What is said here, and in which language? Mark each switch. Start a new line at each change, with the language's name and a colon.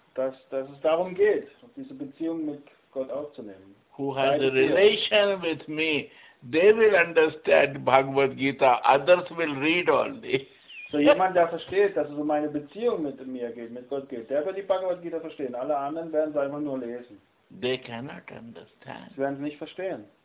German: Dass es darum geht, diese Beziehung mit Gott aufzunehmen.
English: Who has a relation with me, they will understand Bhagavad Gita, others will read only.
German: So jemand, der versteht, dass es um meine Beziehung mit mir geht, mit Gott geht, der wird die Bhagavad Gita verstehen. Alle anderen werden es einfach nur lesen.
English: They cannot understand.
German: Sie werden es nicht verstehen.